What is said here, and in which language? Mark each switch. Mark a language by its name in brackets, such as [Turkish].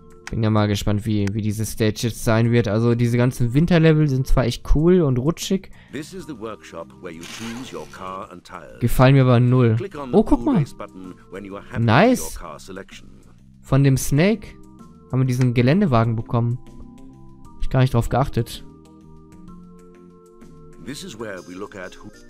[German] Bin ja mal gespannt, wie diese Stage jetzt sein wird. Also diese ganzen Winterlevel sind zwar echt cool und rutschig. [English] This is the workshop where you choose your car and tiles. [German] Gefallen mir aber null. Oh, guck mal. Nice. Von dem Snake haben wir diesen Geländewagen bekommen. Hab ich gar nicht drauf geachtet. [English] This is where we look at who...